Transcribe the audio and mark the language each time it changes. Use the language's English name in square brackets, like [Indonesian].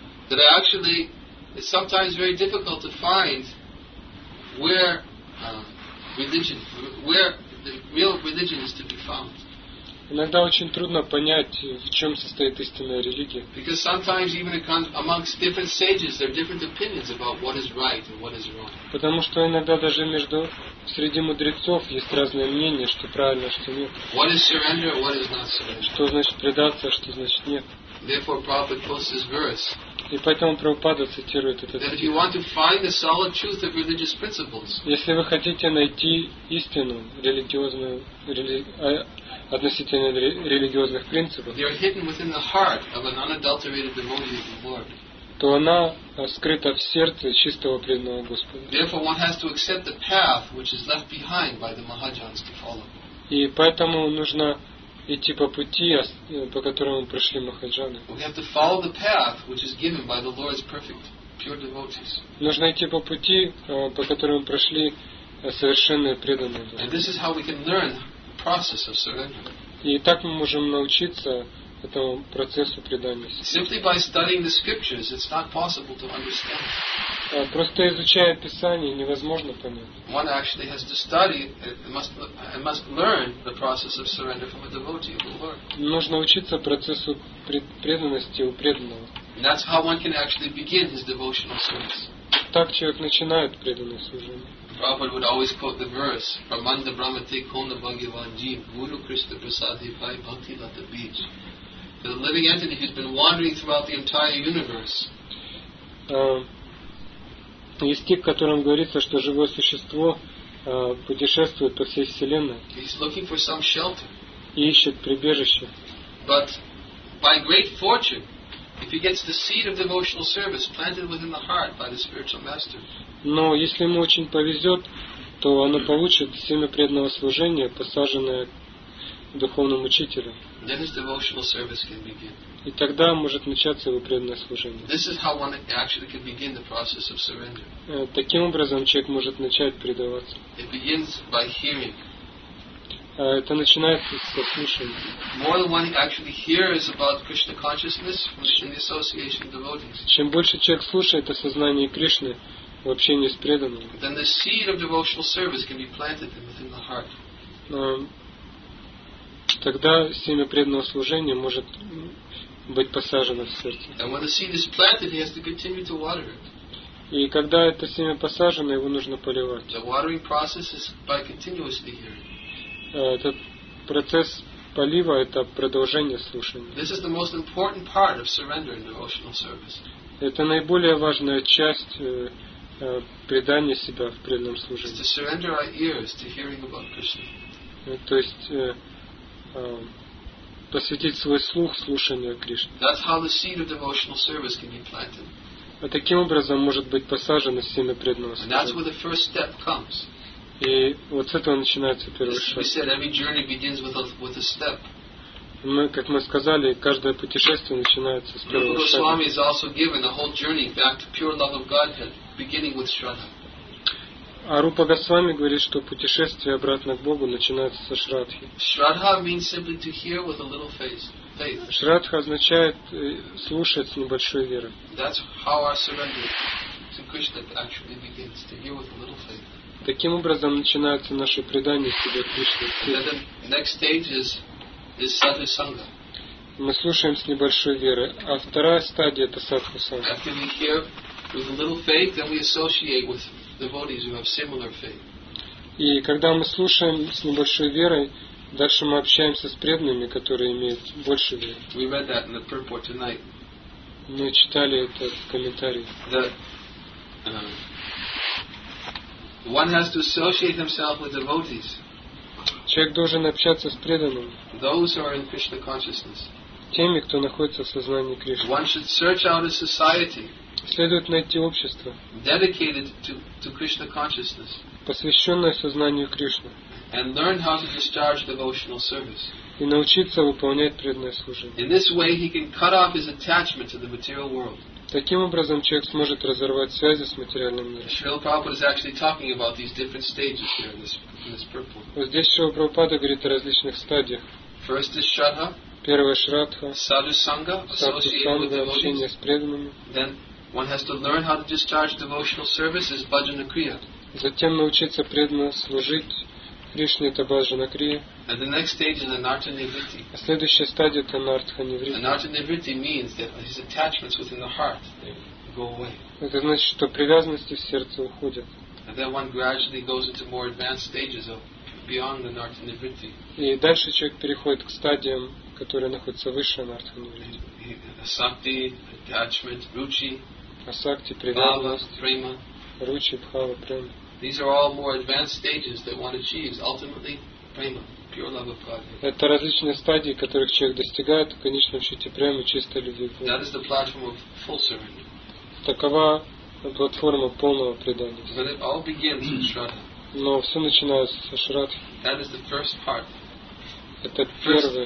[English] That actually it's sometimes very difficult to find where religion, where the real religion is to be found. [Russian] Иногда очень трудно понять, в чем состоит истинная религия. [English] Because sometimes even amongst different sages there are different opinions about what is right and what is wrong. [Russian] Потому что иногда даже между среди мудрецов есть разные мнения, что правильно, что нет. [English] What is surrender, what is not surrender? [Russian] Что значит предаться, что значит нет. [English] Therefore, Prabhupada quotes this verse. [Russian] И поэтому Прабхупада цитирует этот стих. [English] That if you want to find the solid truth of religious principles. [Russian] Если вы хотите найти истину религиозную, относительно религиозных принципов, [English] they are hidden within the heart of an unadulterated devotee of the Lord. [Russian] То она скрыта в сердце чистого преданного Господа. [English] Therefore, one has to accept the path which is left behind by the Mahajans to follow. [Russian] И поэтому нужно идти по пути, по которому прошли Махаджаны. [English] We have to follow the path which is given by the Lord's perfect, pure devotees. [Russian] Нужно идти по пути, по которому прошли совершенные преданные. [English] And this is how we can learn the process of surrender. [Russian] И так мы можем научиться этому процессу предания. [English] Simply by studying the scriptures, it's not possible to understand. [Russian] Просто изучая Писание, невозможно понять. [English] One actually has to study and must learn the process of surrender from a devotee of the Lord. [Russian] Нужно учиться процессу преданности у преданного. [English] And that's how one can actually begin his devotional service. [Russian] Так человек начинает преданное служение. [English] Prabhupada would always quote the verse from [Sanskrit] Manda Brahmate Kona Bhagavanji Guru Krishna Prasadhi Pai Bhakti Lata Beej. [English] The living entity who's been wandering throughout the entire universe. [Russian] И стих, в котором говорится, что живое существо путешествует по всей вселенной. [English] He's looking for some shelter. [Russian] И ищет прибежище. [English] But by great fortune, if he gets the seed of devotional service planted within the heart by the spiritual master. [Russian] Но если ему очень повезет, то оно получит семя преданного служения, посаженное духовным учителем. [English] Then his devotional service can begin. [Russian] И тогда может начаться его преданное служение. [English] This is how one actually can begin the process of surrender. [Russian] Таким образом человек может начать предаваться. [English] It begins by hearing. [Russian] Это начинается с слушания. [English] More than one actually hears about Krishna consciousness in the association of devotees. [Russian] Чем больше человек слушает о сознании Кришны в общении с преданным, [English] then the seed of devotional service can be planted within the heart. [Russian] Тогда семя преданного служения может быть посажено в сердце. [English] And when the seed is planted, he has to continue to water it. [Russian] И когда это семя посажено, его нужно поливать. [English] The watering process is by continuously hearing. [Russian] Этот процесс полива – это продолжение слушания. [English] This is the most important part of surrender and devotional service. [Russian] Это наиболее важная часть предания себя в преданном служении. [English] It's to surrender our ears to hearing about Krishna. [Russian] То есть посвятить свой слух слушанию Кришны. [English] That's how the seed of devotional service can be planted. [Russian] А таким образом может быть посажено семя преданного служения. [English] And that's where the first step comes. [Russian] И вот с этого начинается первый шаг. Мы, как мы сказали, каждое путешествие начинается с первого шага. [English] Goswami is also given a whole journey back to pure love of Godhead, beginning with Shraddha. [Russian] А Рупа Госвами говорит, что путешествие обратно к Богу начинается со Шрадхи. [English] Shraddha means simply to hear with a little faith. [Russian] Шрадха означает слушать с небольшой верой. [English] That's how our surrender to Krishna actually begins, to hear with a little faith. [Russian] Таким образом начинается наше предание себе Кришне. [English] Next stage is Sadhusanga. [Russian] Мы слушаем с небольшой верой, а вторая стадия это Садхусанга. [English] After we hear with a little faith, then we associate with devotees who have similar faith. [Russian] И когда мы слушаем с небольшой верой, дальше мы общаемся с преданными, которые имеют больше веры. [English] We read that in the purport tonight. [Russian] Мы читали это в комментарии. [English] One has to associate himself with devotees. [Russian] Человек должен общаться с преданными. [English] Those who are in Krishna consciousness. [Russian] Теми, кто находится в сознании Кришны. [English] One should search out a society. [Russian] Следует найти общество. [English] Dedicated to Krishna consciousness. [Russian] Посвященное сознанию Кришны. [English] And learn how to discharge devotional service. [Russian] И научиться выполнять преданное служение. [English] In this way, he can cut off his attachment to the material world. [Russian] Таким образом, человек сможет разорвать связи с материальным миром. [English] Srila Prabhupada is actually talking about these different stages here in this purport. [Russian] Вот здесь Srila Prabhupada говорит о различных стадиях. [English] First is Shraddha. [Russian] Первая Шрадха. Садхусанга. Садхусанга, общение с преданными. [English] Then one has to learn how to discharge devotional service as bhajana kriya. [Russian] Затем научиться преданно служить Кришне это бхаджана крия. [English] And the next stage is anartha nivritti. [Russian] А следующая стадия это нартха нивритти. [English] Anartha nivritti means that his attachments within the heart go away. [Russian] Это значит, что привязанности в сердце уходят. [English] And then one gradually goes into more advanced stages of beyond the anartha nivritti. [Russian] И дальше человек переходит к стадиям, которые находятся выше анартха нивритти. [English] Asakti, attachment, ruchi. [Russian] Asakti, привязанность. [Sanskrit] Bhava, prema. Ruchi, bhava, prema. [English] These are all more advanced stages that one achieves ultimately prema, pure love of God. [Russian] Это различные стадии, которых человек достигает в конечном счете прямо чистой любви. [English] That is the platform of full surrender. [Russian] Такова платформа полного предания. [English] But it all begins with Shraddha. [Russian] Но все начинается со Шрадхи. [English] That is the first part. [Russian] Это первый.